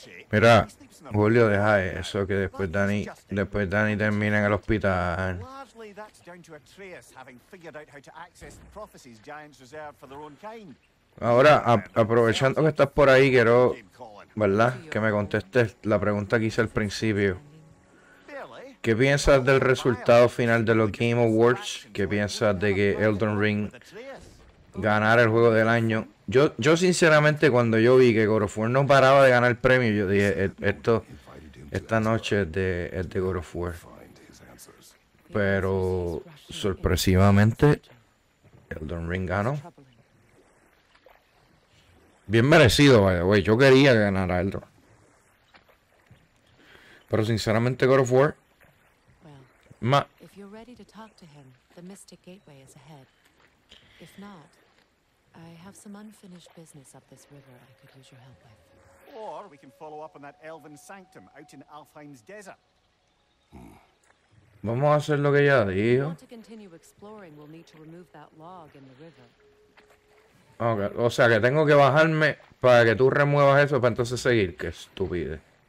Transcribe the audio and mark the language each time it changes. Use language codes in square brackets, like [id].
[es] Mira, Julio, deja eso que después Dani termina en el hospital. [en] Largely that's down to Atreus having figured out how to access the prophecies giants reserved for their own kind. [es] Ahora, aprovechando que estás por ahí, quiero, ¿verdad?, que me contestes la pregunta que hice al principio. ¿Qué piensas del resultado final de los Game Awards? ¿Qué piensas de que Elden Ring ganara el juego del año? Yo sinceramente, cuando yo vi que God of War no paraba de ganar premios, yo dije, esto, esta noche es de God of War. Pero sorpresivamente, Elden Ring ganó. Bien merecido, [en] by the way. [es] Yo quería ganar a Elden. Pero sinceramente, God of War. Ma. [en] If you're ready to talk to him, the Mystic Gateway is ahead. If not, I have some unfinished business up this river I could use your help with. Or we can follow up on that Elven Sanctum out in Alfheim's desert. [es] Vamos a hacer lo que ella dijo. [en] To continue exploring, we'll need to remove that log in the river. Okay. [es] O sea que tengo que bajarme para que tú remuevas eso para entonces seguir. Qué estupidez.